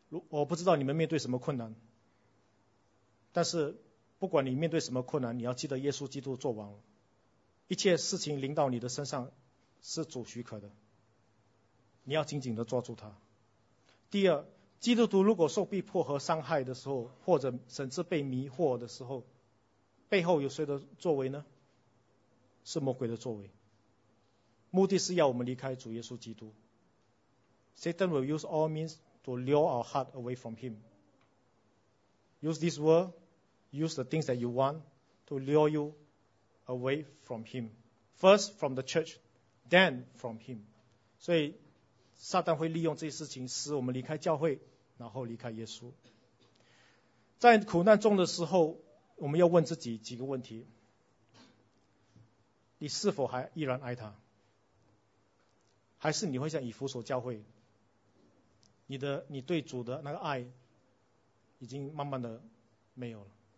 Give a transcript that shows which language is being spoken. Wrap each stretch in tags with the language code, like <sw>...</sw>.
<zh>我不知道你们面对什么困难，但是不管你面对什么困难，你要记得耶稣基督作王了，一切事情临到你的身上是主许可的，你要紧紧地抓住他。第二，基督徒如果受逼迫和伤害的时候，或者甚至被迷惑的时候，背后有谁的作为呢？是魔鬼的作为，目的是要我们离开主耶稣基督。</zh> <en>Satan will use all means to lure our heart away from him. Use this world, use the things that you want to lure you away from him. First from the church, then from him.</en> <zh>所以撒旦会利用这些事情使我们离开教会，然后离开耶稣。在苦难中的时候，我们要问自己几个问题，你是否还依然爱他，还是你会像以弗所教会，你对主的那个爱已经慢慢的没有了。</zh>